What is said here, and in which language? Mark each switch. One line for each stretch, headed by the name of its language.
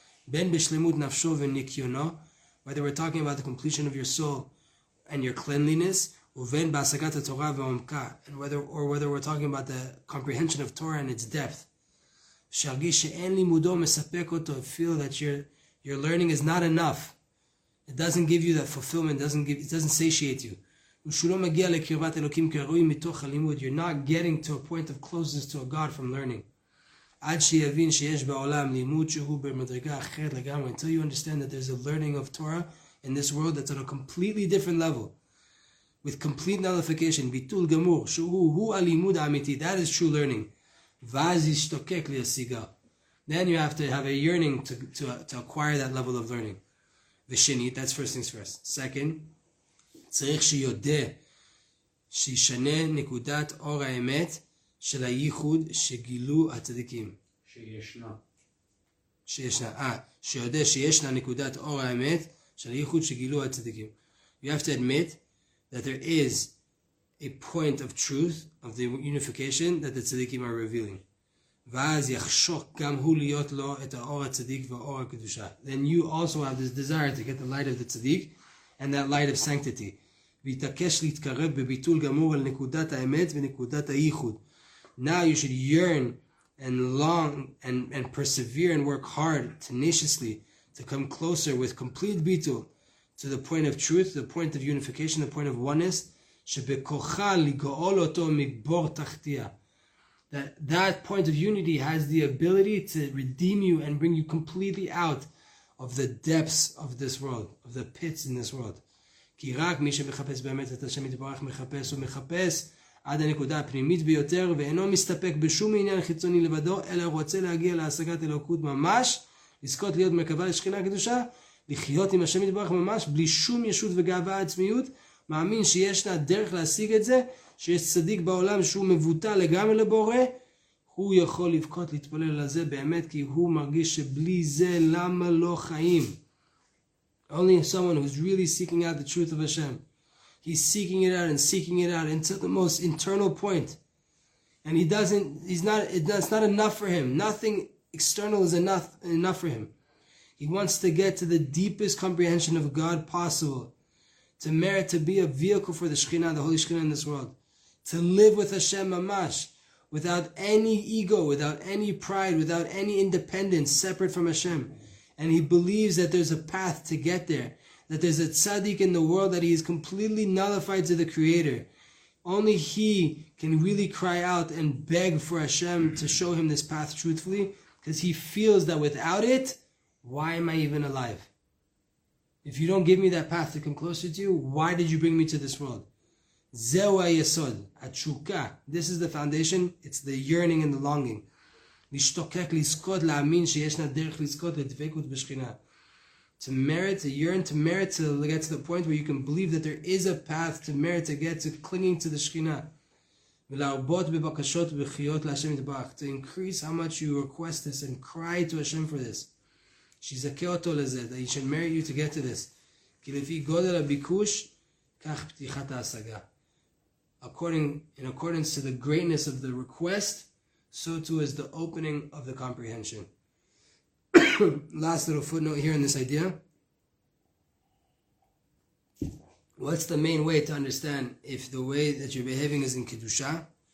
Hebrew: בין בשלמות נפשו וניקיונו,
English: whether we're talking about the completion of your soul and your cleanliness,
Hebrew: ובין בהשגת התורה ועומקה,
English: or whether we're talking about the comprehension of Torah and its depth.
Hebrew: שרגיש שאין לימודו מספק אותו,
English: feel that your learning is not enough. It doesn't give you that fulfillment, it doesn't satiate you.
Hebrew: ושלא מגיע לקרבת אלוקים כראוי מתוך הלימוד.
English: You're not getting to a point of closeness to a God from learning.
Hebrew: עד שיבין שיש בעולם לימוד שהוא במדרגה אחרת לגמרי.
English: Until you understand that there's a learning of Torah in this world that's on a completely different level. With complete nullification.
Hebrew: ביטול גמור. שהוא הלימוד האמיתי.
English: That is true learning.
Hebrew: ואז ישתוקק להשיגה.
English: Then you have to have a yearning to acquire that level of learning. ושני, that's first things first.
Hebrew: Second, צריך שיודע שישנה נקודת אור האמת של הייחוד שגילו הצדיקים. שישנה. שיודע שישנה נקודת אור האמת של הייחוד שגילו הצדיקים.
English: You have to admit that there is a point of truth of the unification that the tzaddikim are revealing.
Hebrew: ואז יחשוק גם הוא להיות לו את האור הצדיק ואור הקדושה.
English: Then you also have this desire to get the light of the tzaddik and that light of sanctity.
Hebrew: ויתעקש להתקרב בביטול גמור על נקודת האמת ונקודת הייחוד.
English: Now you should yearn and long and persevere and work hard tenaciously to come closer with complete ביטול to the point of truth, the point of unification, the point of oneness,
Hebrew: שבכוחה לגאול אותו מבור תחתיה.
English: That point of unity has the ability to redeem you and bring you completely out of the depths of this world, of the pits in this world.
Hebrew: כי רק מי שמחפש באמת את השם יתברך מחפש ומחפש עד הנקודה הפנימית ביותר ואינו מסתפק בשום עניין חיצוני לבדו אלא רוצה להגיע להשגת אלוקות ממש, לזכות להיות מרכבה לשכינה הקדושה, לחיות עם השם יתברך ממש בלי שום ישות וגאווה עצמיות, מאמין שיש לה דרך להשיג את זה, שיש צדיק בעולם שהוא מבוטל לגמרי לבורא, הוא יכול לבכות להתפלל על זה באמת, כי הוא מרגיש שבלי זה למה לא חיים.
English: Only someone who's really seeking out the truth of Hashem. He's seeking it out and seeking it out until the most internal point. And it's not enough for him. Nothing external is enough for him. He wants to get to the deepest comprehension of God possible. To merit to be a vehicle for the Shekhinah, the Holy Shekhinah in this world. To live with Hashem mamash. Without any ego, without any pride, without any independence separate from Hashem. And he believes that there's a path to get there. That there's a tzaddik in the world that he is completely nullified to the Creator. Only he can really cry out and beg for Hashem to show him this path truthfully. Because he feels that without it, why am I even alive? If you don't give me that path to come closer to you, why did you bring me to this world?
Hebrew: Zehu ha-yesod, ha-tshuka.
English: This is the foundation. It's the yearning and the longing.
Hebrew: להשתוקק, לזכות, להאמין שישנה דרך לזכות לדבקות בשכינה.
English: To merit, to yearn, to merit, to get to the point where you can believe that there is a path to merit, to get to clinging to the שכינה.
Hebrew: ולהרבות בבקשות ובחיות להשם יתברך.
English: To increase how much you request this and cry to Hashem for this.
Hebrew: שיזכה אותו לזה,
English: that he should merit you to get to this.
Hebrew: כי לפי גודל הביקוש, כך פתיחת ההשגה.
English: In accordance to the greatness of the request, so too is the opening of the comprehension. Last little footnote here in this idea. What's the main way to understand if the way that you're behaving is in Kiddusha?